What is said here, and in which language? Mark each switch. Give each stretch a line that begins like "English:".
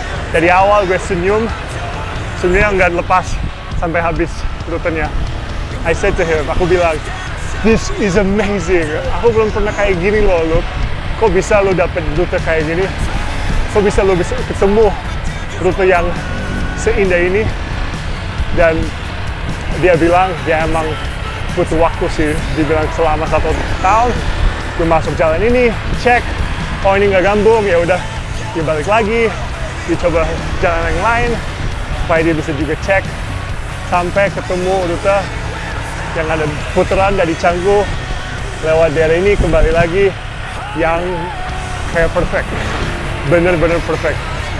Indonesian: Dari awal gue senyum, senyumnya nggak lepas sampai habis routernya.
English: I said to him,
Indonesian: aku bilang,
English: this is amazing.
Indonesian: Aku belum pernah kayak gini loh, Luke. Kok bisa lo dapet router kayak gini? Kok bisa lo bisa ketemu router yang seindah ini? Dan dia bilang, dia emang butuh waktu sih. Dia bilang selama satu tahun, gue masuk jalan ini, cek, oh ini nggak gambung, ya udah, dia balik lagi, dia coba jalan yang lain, supaya dia bisa juga cek, sampai ketemu rute yang ada putaran dari Canggu, lewat daerah ini, kembali lagi, yang kayak perfect, bener-bener perfect.